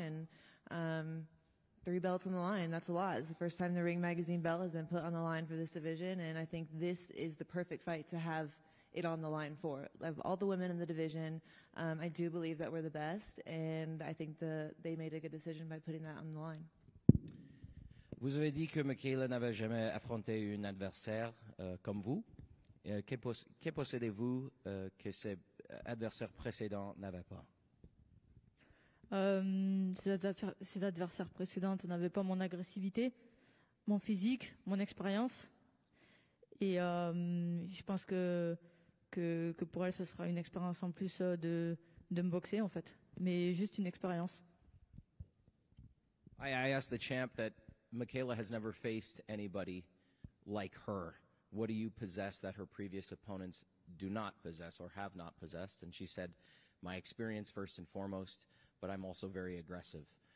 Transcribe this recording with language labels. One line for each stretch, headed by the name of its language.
English: And three belts on the line, that's a lot. It's the first time the Ring Magazine belt has been put on the line for this division, and I think this is the perfect fight to have it on the line for. Of all the women in the division, I do believe that we're the best, and I think they made a good decision by putting that on the line.
French: Vous avez dit que Mikaela n'avait jamais affronté une adversaire comme vous. Que possédez-vous que ses adversaires précédents n'avaient pas? Ses adversaires précédentes n'avaient pas mon agressivité, mon physique, mon expérience. Et je pense que pour elle, ce sera une expérience en plus de me boxer, en fait. Mais juste une expérience.
English: I asked the champ that Mikaela has never faced anybody like her. What do you possess that her previous opponents do not possess or have not possessed? And she said, my experience first and foremost, but I'm also very aggressive.